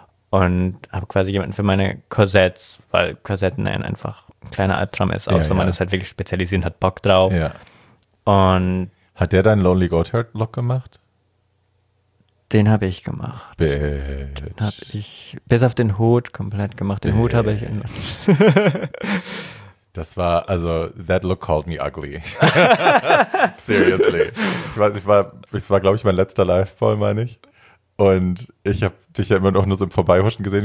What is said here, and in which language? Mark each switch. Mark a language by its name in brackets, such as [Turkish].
[German] Und habe quasi jemanden für meine Korsetts, weil Korsetten einfach ein kleiner Albtraum ist, außer man ist halt wirklich spezialisiert, hat Bock drauf. Ja. Und hat der deinen Lonely Goat Herd Look gemacht? Den habe ich gemacht. [English] Bitch. [German] Den habe ich bis auf den Hut komplett gemacht. Den Hut habe ich. Das war, also, [English] that look called me ugly. Seriously. [German] Ich war, glaube ich, mein letzter Live-Ball, meine ich. Und ich habe dich ja immer noch nur so im Vorbeihuschen gesehen.